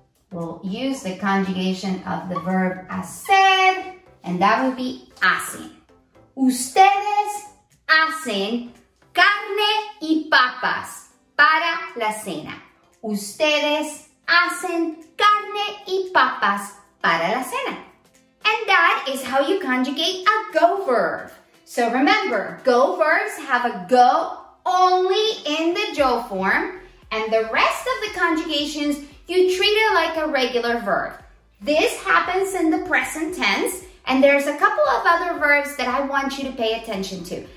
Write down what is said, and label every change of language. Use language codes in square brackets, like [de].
[en] We'll use the conjugation of the verb hacer, and that would be hacen. [es] Ustedes hacen carne y papas para la cena. Ustedes hacen carne y papas para la cena. [en] And that is how you conjugate a go verb. So remember, go verbs have a go only in the yo form, and the rest of the conjugations, you treat it like a regular verb. This happens in the present tense, and there's a couple of other verbs that I want you to pay attention to.